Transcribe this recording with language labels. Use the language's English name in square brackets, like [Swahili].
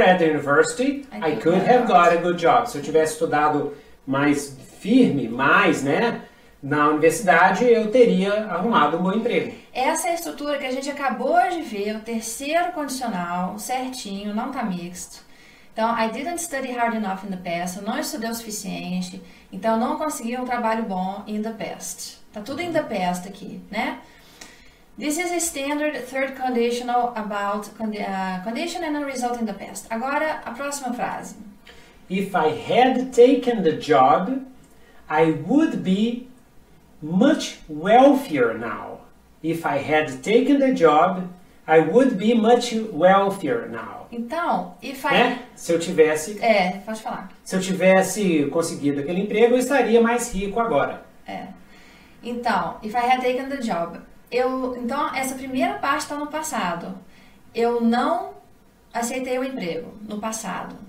[English] at the university, I could have got a good job. [Portuguese] Se eu tivesse estudado mais firme, né, na universidade, eu teria arrumado um bom emprego. Essa é a estrutura que a gente acabou de ver, o terceiro condicional, certinho, não tá mixto. Então, [English] I didn't study hard enough in the past, [Portuguese] eu não estudei o suficiente, então não consegui um trabalho bom [English] in the past. [Portuguese] Tá tudo [English] in the past [Portuguese] aqui, né? [English] This is a standard third conditional about condition and a result in the past. [Portuguese] Agora, a próxima frase. [English] If I had taken the job, I would be much wealthier now. If I had taken the job, I would be much wealthier now. Então, if I... [Portuguese] Se eu tivesse... pode falar. Se eu tivesse conseguido aquele emprego, eu estaria mais rico agora. Então, [English] if I had taken the job... [Portuguese] Então, essa primeira parte está no passado. Eu não aceitei o emprego no passado.